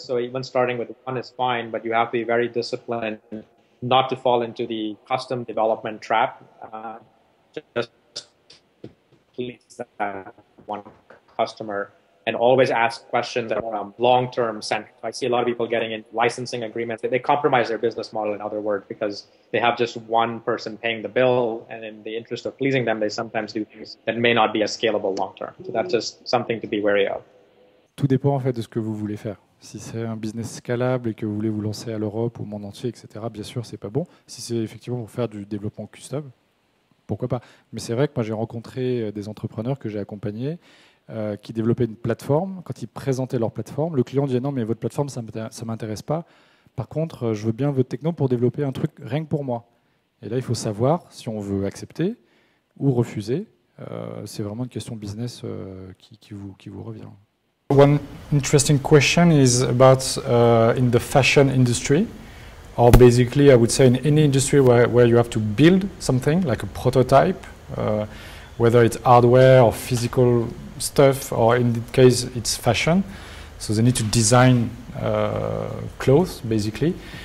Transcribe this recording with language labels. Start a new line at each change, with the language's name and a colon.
English: So even starting with one is fine, but you have to be very disciplined not to fall into the custom development trap, just please that one customer, and always ask questions that are long-term centric. I see a lot of people getting in licensing agreements. They compromise their business model, in other words, because they have just one person paying the bill, and in the interest of pleasing them, they sometimes do things that may not be as scalable long-term. So that's just something to be wary of.
French: Tout dépend en fait de ce que vous voulez faire. Si c'est un business scalable et que vous voulez vous lancer à l'Europe ou au monde entier, etc., bien sûr, c'est pas bon. Si c'est effectivement pour faire du développement custom, pourquoi pas. Mais c'est vrai que moi, j'ai rencontré des entrepreneurs que j'ai accompagnés qui développaient une plateforme. Quand ils présentaient leur plateforme, le client disait « Non, mais votre plateforme, ça m'intéresse pas. Par contre, je veux bien votre techno pour développer un truc rien que pour moi. » Et là, il faut savoir si on veut accepter ou refuser. C'est vraiment une question business qui vous revient.
English: One interesting question is about in the fashion industry, or basically I would say in any industry where you have to build something like a prototype, whether it's hardware or physical stuff, or in this case it's fashion, so they need to design clothes basically.